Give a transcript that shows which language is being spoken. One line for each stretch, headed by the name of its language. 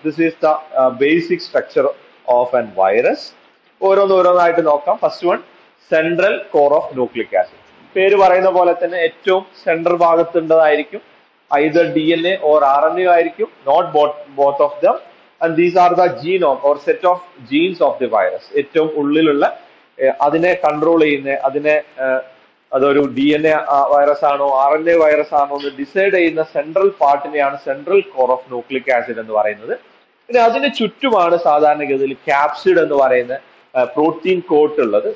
English: This is the basic structure of an virus.
Malayalam: ഓരോന്നോരോന്നായിട്ട് നോക്കാം.
English: First one, central core of nucleic acid.
Malayalam: പേര് പറയുന്ന പോലെ തന്നെ ഏറ്റവും central ഭാഗത്തുണ്ടതായിരിക്കും,
English: either D N A or R N
Malayalam: A ആയിരിക്കും,
English: Not both of them. And these are the genome or set of genes of the virus.
Malayalam: ഏറ്റവും ഉള്ളിലുള്ള അതിനെ control ചെയ്യുന്ന അതിനെ, അതൊരു ഡി എൻ എ വൈറസ് ആണോ ആർ എൻ എ വൈറസ് ആണോ എന്ന് ഡിസൈഡ് ചെയ്യുന്ന central പാർട്ടിനെയാണ് central core of nucleic acid എന്ന് പറയുന്നത്. പിന്നെ അതിന് ചുറ്റുമാണ് സാധാരണഗതിയിൽ ക്യാപ്സിഡ് എന്ന് പറയുന്ന പ്രോട്ടീൻ കോട്ട് ഉള്ളത്.